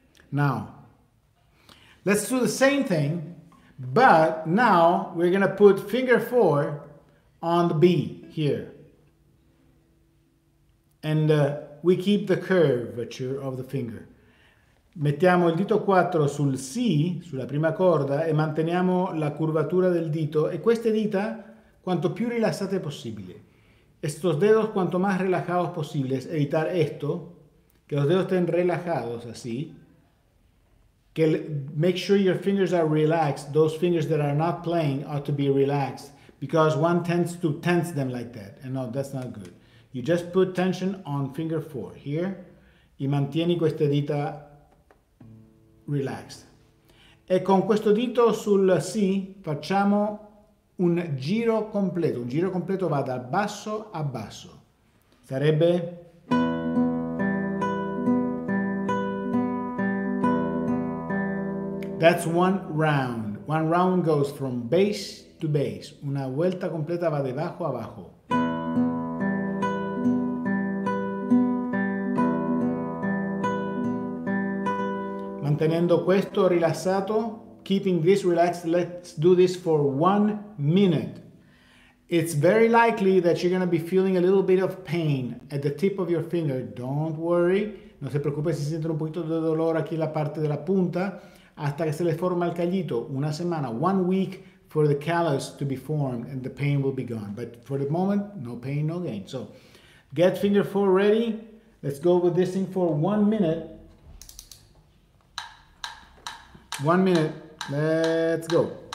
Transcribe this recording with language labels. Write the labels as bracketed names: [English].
[English] Now, let's do the same thing, but now we're gonna put finger four on the B here. And, we keep the curvature of the finger. [Italian] Mettiamo il dito 4 sul Si, sulla prima corda, e manteniamo la curvatura del dito. E queste dita, quanto più rilassate possibile. [Spanish] Estos dedos, cuanto más relajados posibles. Evitar esto, que los dedos estén relajados, así. [English] Que make sure your fingers are relaxed. Those fingers that are not playing ought to be relaxed. Because one tends to tense them like that. And no, that's not good. You just put tension on finger four here [Italian] y mantieni queste dita [English] relaxed. [Italian] E con questo dito sul Si facciamo un giro completo. Un giro completo va dal basso a basso. Sarebbe... [English] That's one round. One round goes from bass to bass. [Spanish] Una vuelta completa va de bajo a bajo. [Italian] Tenendo questo rilassato, [English] keeping this relaxed, let's do this for 1 minute. It's very likely that you're going to be feeling a little bit of pain at the tip of your finger. Don't worry. [Spanish] No se preocupe si sienten un poquito de dolor aquí en la parte de la punta hasta que se le forma el callito. Una semana, [English] 1 week for the callus to be formed and the pain will be gone. But for the moment, no pain, no gain. So get finger four ready. Let's go with this thing for 1 minute. 1 minute, let's go.